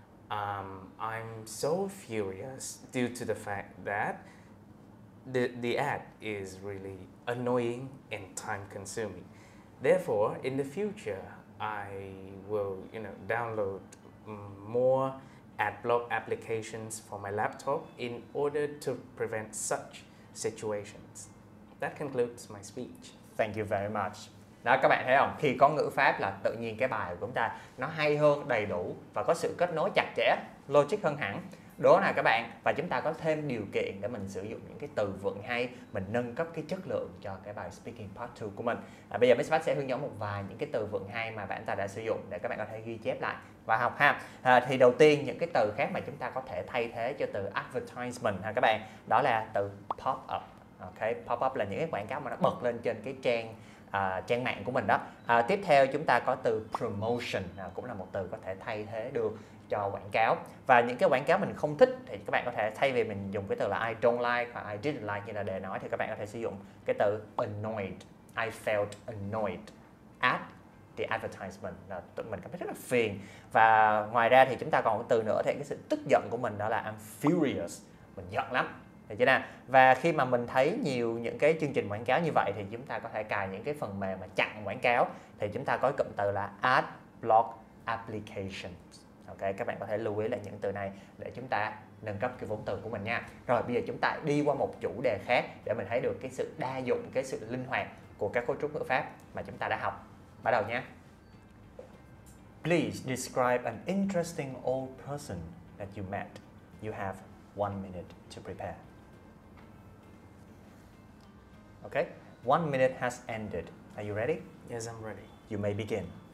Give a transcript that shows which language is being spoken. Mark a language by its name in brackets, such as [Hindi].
[English] I'm so furious due to the fact that the ad is really annoying and time consuming. Therefore, in the future, I will, you know, download more adblock applications for my laptop in order to prevent such situations. That concludes my speech. Thank you very much. [Vietnamese] Đó, các bạn thấy không? Khi có ngữ pháp là tự nhiên cái bài của chúng ta nó hay hơn, đầy đủ và có sự kết nối chặt chẽ, logic hơn hẳn. Đố nào các bạn? Và chúng ta có thêm điều kiện để mình sử dụng những cái từ vựng hay, mình nâng cấp cái chất lượng cho cái bài Speaking Part 2 của mình. Bây giờ Miss Phát sẽ hướng dẫn một vài những cái từ vựng hay mà bạn ta đã sử dụng để các bạn có thể ghi chép lại và học ha. Thì đầu tiên, những cái từ khác mà chúng ta có thể thay thế cho từ advertisement ha các bạn, đó là từ pop-up. Okay, pop-up là những cái quảng cáo mà nó bật lên trên cái trang trang mạng của mình đó. Tiếp theo chúng ta có từ promotion, cũng là một từ có thể thay thế được cho quảng cáo. Và những cái quảng cáo mình không thích thì các bạn có thể thay vì mình dùng cái từ là [English] I don't like [Vietnamese] hoặc [English] I didn't like [Vietnamese] như là đề nói, thì các bạn có thể sử dụng cái từ annoyed. [English] I felt annoyed at the advertisement. [Vietnamese] Tụi mình cảm thấy rất là phiền. Và ngoài ra thì chúng ta còn có từ nữa thì cái sự tức giận của mình đó là [English] I'm furious. [Vietnamese] Mình giận lắm. Được chưa? Và khi mà mình thấy nhiều những cái chương trình quảng cáo như vậy thì chúng ta có thể cài những cái phần mềm mà chặn quảng cáo, thì chúng ta có cụm từ là ad block application. Ok, các bạn có thể lưu ý lại những từ này để chúng ta nâng cấp cái vốn từ của mình nha. Rồi bây giờ chúng ta đi qua một chủ đề khác để mình thấy được cái sự đa dụng, cái sự linh hoạt của các cấu trúc ngữ pháp mà chúng ta đã học. Bắt đầu nha. [English] Please describe an interesting old person that you met. You have 1 minute to prepare. Okay, 1 minute has ended. Are you ready? Yes, I'm ready. You may begin.